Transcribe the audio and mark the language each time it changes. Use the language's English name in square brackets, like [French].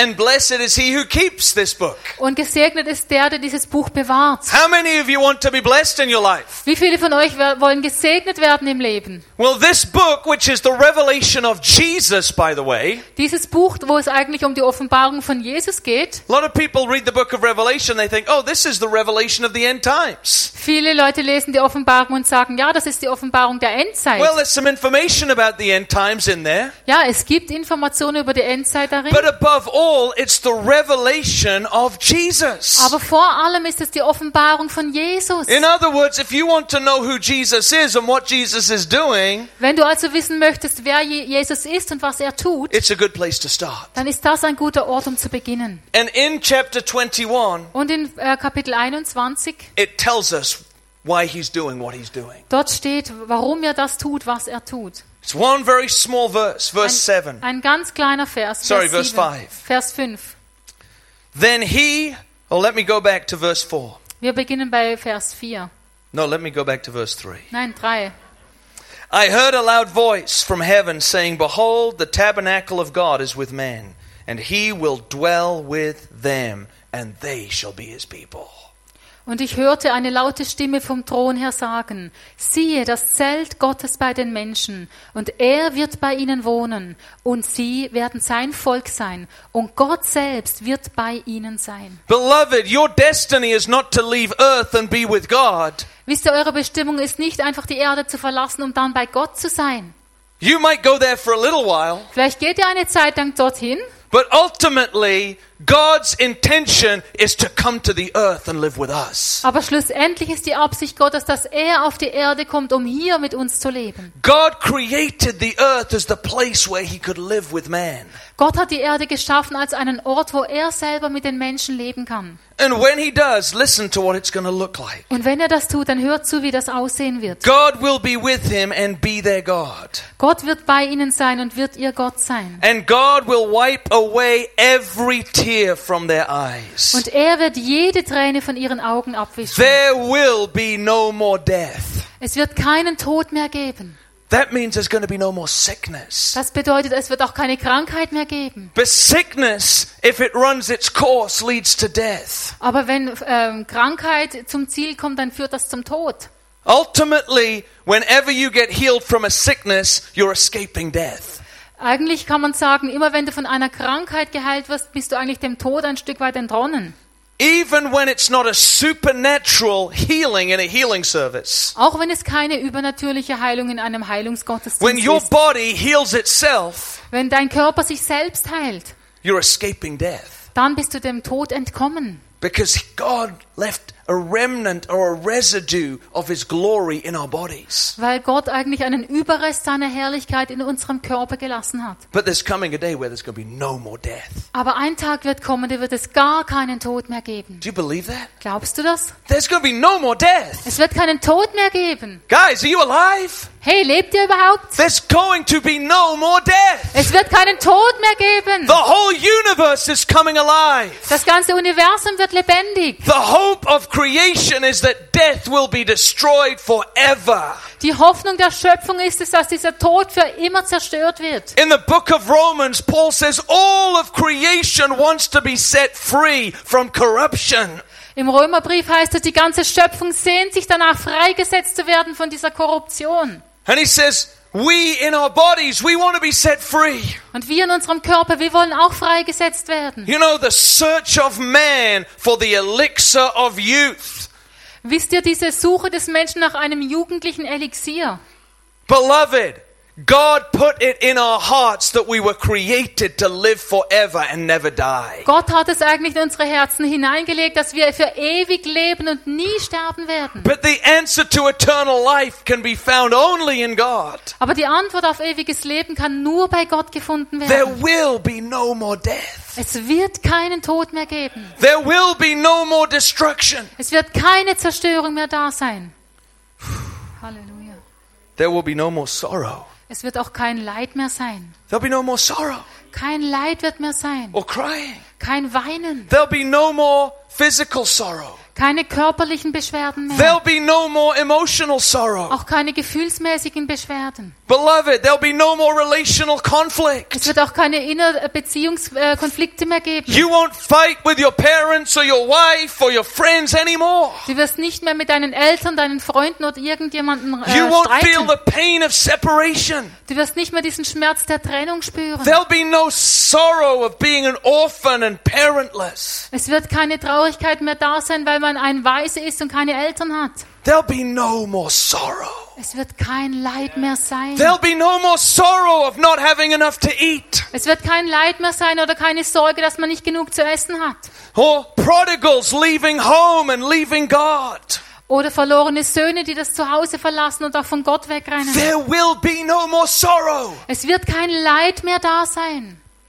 [English] "And blessed is he who keeps this book." [German] Und gesegnet ist der, der dieses Buch bewahrt. [English] How many of you want to be blessed in your life? [German] Wie viele von euch wollen gesegnet werden im Leben? [English] Well, this book, which is the Revelation of Jesus, by the way. [German] Dieses Buch, wo es eigentlich um die Offenbarung von Jesus geht. [English] A lot of people read the book of Revelation, they think, oh, this is the revelation of the end times. [German] Viele Leute lesen die Offenbarung und sagen, ja, das ist die Offenbarung der Endzeit. [English] Well, there's some information about the end times in there. [German] Ja, es gibt Informationen über die Endzeit darin. [English] But above all, it's the revelation of Jesus. [German] Aber vor allem ist es die Offenbarung von Jesus. [English] In other words, if you want to know who Jesus is and what Jesus is doing, [German] wenn du also wissen möchtest, wer Jesus ist und was er tut, [English] it's a good place to start. [German] Dann ist das ein guter Ort, um zu beginnen. [English] And in chapter 21, [German] und in Kapitel 21, [English] it tells us why he's doing what he's doing. [German] Dort steht, warum er das tut, was er tut. [English] It's one very small verse, verse 7. [German] Ein ganz kleiner Vers. [English] Sorry, [German] Vers 7, [English] verse 5. Then he, oh, let me go back to verse 4. [German] Wir beginnen bei Vers 4. [English] No, let me go back to verse 3. [German] Nein, 3. [English] I heard a loud voice from heaven saying, "Behold, the tabernacle of God is with man, and he will dwell with them, and they shall be his people." [German] Und ich hörte eine laute Stimme vom Thron her sagen, siehe, das Zelt Gottes bei den Menschen, und er wird bei ihnen wohnen, und sie werden sein Volk sein, und Gott selbst wird bei ihnen sein. [English] Beloved, your destiny is not to leave earth and be with God. [German] Wisst ihr, eure Bestimmung ist nicht einfach die Erde zu verlassen, um dann bei Gott zu sein. [English] You might go there for a little while. [German] Vielleicht geht ihr eine Zeit lang dorthin. [English] But ultimately, God's intention is to come to the earth and live with us. [German] Aber schlussendlich ist die Absicht Gottes, dass er auf die Erde kommt, um hier mit uns zu leben. [English] God created the earth as the place where he could live with man. [German] Gott hat die Erde geschaffen als einen Ort, wo er selber mit den Menschen leben kann. [English] And when he does, listen to what it's going to look like. [German] Und wenn er das tut, dann hört zu, wie das aussehen wird. [English] God will be with him and be their God. [German] Gott wird bei ihnen sein und wird ihr Gott sein. [English] And God will wipe away every tear from their eyes. [German] Und er wird jede Träne von ihren Augen abwischen. [English] There will be no more death. [German] Es wird keinen Tod mehr geben. [English] That means there's going to be no more sickness. [German] Das bedeutet, es wird auch keine Krankheit mehr geben. [English] But sickness, if it runs its course, leads to death. [German] Aber wenn Krankheit zum Ziel kommt, dann führt das zum Tod. [English] Ultimately, whenever you get healed from a sickness, you're escaping death. [German] Eigentlich kann man sagen, immer wenn du von einer Krankheit geheilt wirst, bist du eigentlich dem Tod ein Stück weit entronnen. [English] Even when it's not a supernatural healing in a healing service. [German] Auch wenn es keine übernatürliche Heilung in einem Heilungsgottesdienst ist. [English] When your body heals itself. [German] Wenn dein Körper sich selbst heilt. [English] You're escaping death. [German] Dann bist du dem Tod entkommen. [English] Because God left a remnant or a residue of his glory in our bodies. [German] Weil Gott eigentlich einen Überrest seiner Herrlichkeit in unserem Körper gelassen hat. [English] But there's coming a day where there's going to be no more death. [German] Aber ein Tag wird kommen, da wird es gar keinen Tod mehr geben. [English] Do you believe that? [German] Glaubst du das? [English] There's going to be no more death. [German] Es wird keinen Tod mehr geben. [English] Guys, are you alive? [German] Hey, lebt ihr überhaupt? [English] There's going to be no more death. [German] Es wird keinen Tod mehr geben. [English] The whole universe is coming alive. [German] Das ganze Universum wird lebendig. [English] The hope of creation is that death will be destroyed forever. [German] Die Hoffnung der Schöpfung ist es, dass dieser Tod für immer zerstört wird. [English] In the book of Romans, Paul says all of creation wants to be set free from corruption. [German] Im Römerbrief heißt es, die ganze Schöpfung sehnt sich danach, freigesetzt zu werden von dieser Korruption. [English] And he says, We in our bodies, we want to be set free. [German] Und wir in unserem Körper, wir wollen auch freigesetzt werden. [English] You know the search of man for the elixir of youth. [German] Wisst ihr diese Suche des Menschen nach einem jugendlichen Elixier? [English] Beloved, God put it in our hearts that we were created to live forever and never die. [German] Gott hat es eigentlich in unsere Herzen hineingelegt, dass wir für ewig leben und nie sterben werden. [English] But the answer to eternal life can be found only in God. [German] Aber die Antwort auf ewiges Leben kann nur bei Gott gefunden werden. [English] There will be no more death. [German] Es wird keinen Tod mehr geben. [English] There will be no more destruction. [German] Es wird keine Zerstörung mehr da sein. Halleluja. [English] There will be no more sorrow. [German] Es wird auch kein Leid mehr sein. [English] There'll be no more sorrow. [German] Kein Leid wird mehr sein. [English] Or crying. [German] Kein Weinen. [English] There'll be no more physical sorrow. [German] Keine körperlichen Beschwerden mehr. [English] There'll be no more emotional sorrow. [German] Auch keine gefühlsmäßigen Beschwerden. [English] Beloved, there'll be no more relational conflict. [German] Es wird auch keine innere Beziehungskonflikte mehr geben. [English] You won't fight with your parents or your wife or your friends anymore. [German] Du wirst nicht mehr mit deinen Eltern, deinen Freunden oder irgendjemandem streiten. [English] You won't feel the pain of separation. [German] Du wirst nicht mehr diesen Schmerz der Trennung spüren. [English] There'll be no sorrow of being an orphan and parentless. [German] Es wird keine Traurigkeit mehr da sein, weil man ein Waise ist und keine Eltern hat. [English] There'll be no more sorrow. [German] Es wird kein Leid mehr sein. [English] There'll be no more sorrow of not having enough to eat. [German] Es wird kein Leid mehr sein oder keine Sorge, dass man nicht genug zu essen hat. [English] Or prodigals leaving home and leaving God. [German] Oder verlorene Söhne, die das Zuhause verlassen und auch von Gott wegrennen. [English] There will be no more sorrow. [German] Es wird kein Leid mehr da sein.